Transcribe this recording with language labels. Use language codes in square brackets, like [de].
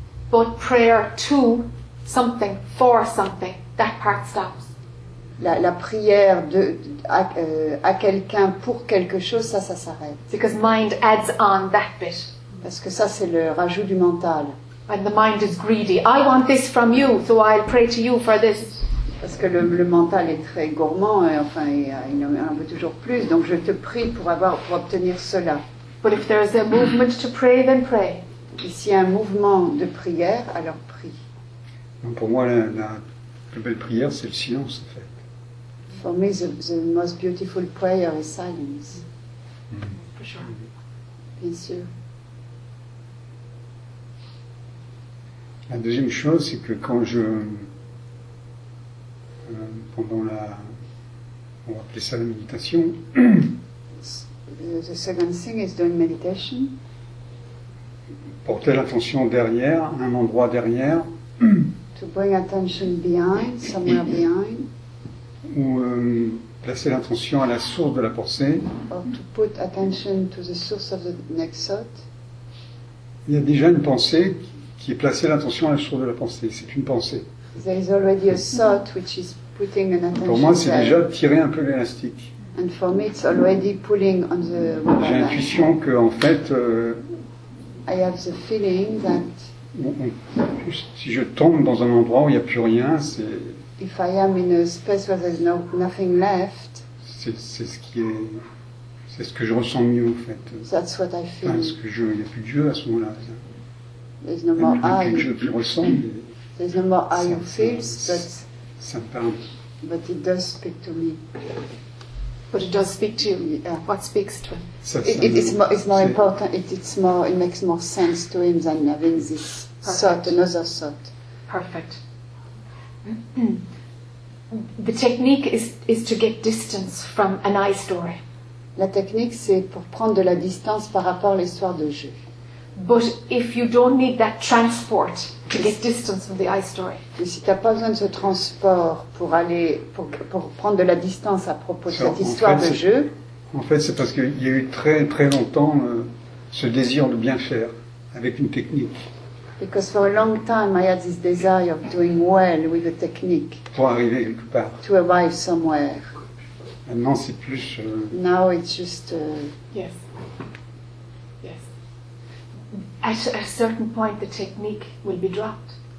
[en] But prayer to something, for something, that part stops. [fr] La prière à quelqu'un pour quelque chose, ça s'arrête. [en] Because mind adds on that bit. Parce que ça, c'est le rajout du mental. And the mind is greedy. I want this from you, so I'll pray to you for this. [fr] Parce que le mental est très gourmand, et enfin, il en veut toujours plus, donc je te prie pour obtenir cela. [en] But if there is a movement to pray, then pray. [fr] Et s'il y a un mouvement de prière, alors prie. Donc pour moi, la plus belle prière, c'est le silence, en fait. [en] For me, the most beautiful prayer is silence. Mm-hmm. [fr] Bien sûr. La deuxième chose, c'est que quand je... pendant la, on va appeler ça la méditation. [en] The second thing is doing meditation. [fr] Porter l'attention derrière, un endroit derrière. [en] To bring attention behind, somewhere behind. [fr] Ou placer l'attention à la source de la pensée. [en] Or to put attention to the source of the next thought. [fr] Il y a déjà une pensée qui est placée l'attention à la source de la pensée. C'est une pensée. [en] There is already a thought which is putting an attention. [fr] Pour moi, c'est déjà tirer un peu l'élastique. [en] And for me, it's already pulling on the. [fr] J'ai l'intuition que en fait. [en] I have the feeling that. [fr] Si je tombe dans un endroit où il n'y a plus rien, c'est. [en] If I am in a space where there's nothing left. [fr] C'est ce qui est. C'est ce que je ressens mieux en fait. [en] That's what I feel. [fr] Parce que je, il n'y a plus de jeu à ce moment-là. [en] There's no more I. There's no more I you feel, but. [fr] Ça me parle. [en] But it does speak to me. But it does speak to you. Yeah. What speaks to him? It's more important. It makes more sense to him than having this perfect thought, another thought. Perfect. The technique is to get distance from an I story. [fr] La technique, c'est pour prendre de la distance par rapport à l'histoire de jeu. [en] But if you don't need that transport to get distance from the I story. [fr] Mais si tu n'as pas besoin de ce transport pour aller pour prendre de la distance à propos de cette histoire de jeu. En fait, c'est parce qu'il y a eu très très longtemps ce désir de bien faire avec une technique. [en] Because for a long time I had this desire of doing well with a technique. [fr] Pour arriver quelque part. [en] To arrive somewhere. [fr] Maintenant, c'est plus. [en] Now it's just. Yes. Yes. At a certain point, the technique will be dropped.